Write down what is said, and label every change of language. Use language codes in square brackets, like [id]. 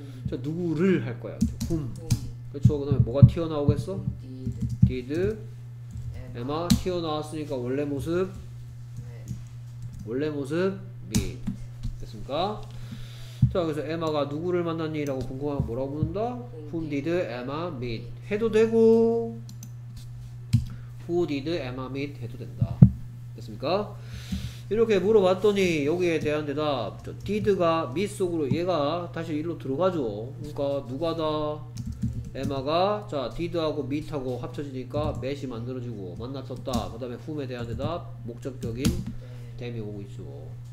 [ko] 누구를 할 거야. whom. 그렇죠. 그 다음에 뭐가 튀어나오겠어? [en] did. [ko] Emma 튀어나왔으니까 원래 모습? 네. 원래 모습? meet. 됐습니까? 자, 그래서 Emma가 누구를 만났니? 라고 궁금하면 뭐라고 묻는다? [en] whom did Emma meet? [ko] 해도 되고 [en] who did Emma meet? [ko] 해도 된다. 됐습니까? 이렇게 물어봤더니 여기에 대한 대답 저 did가 meet 속으로 얘가 다시 일로 들어가죠. 그러니까 누가다? Emma가 자 did하고 meet하고 합쳐지니까 met이 만들어지고 만났었다. 그 다음에 whom에 대한 대답 목적격인 them이 오고 있죠.